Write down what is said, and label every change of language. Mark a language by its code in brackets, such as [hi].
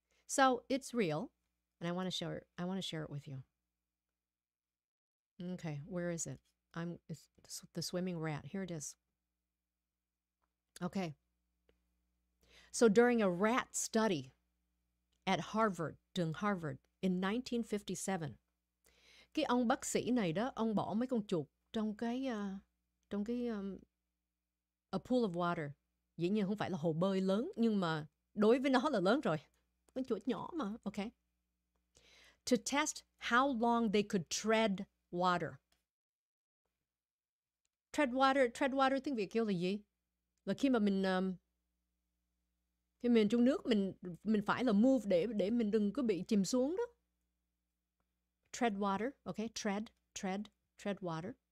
[en] So, it's real, and I want to share it with you. Okay, where is it? It's the swimming rat. Here it is. Okay. So, during a rat study at Harvard, [vi] trường Harvard, [en] in 1957, [vi] cái ông bác sĩ này đó, ông bỏ mấy con chuột trong cái [en] a pool of water. [vi] Dĩ nhiên không phải là hồ bơi lớn, nhưng mà đối với nó là lớn rồi. Con chuột nhỏ mà, okay. [en] To test how long they could tread water. [vi] Tread water tiếng Việt kêu là gì? Là khi mà mình trong nước, mình phải là move để mình đừng có bị chìm xuống đó. [en] Tread water, okay, tread water.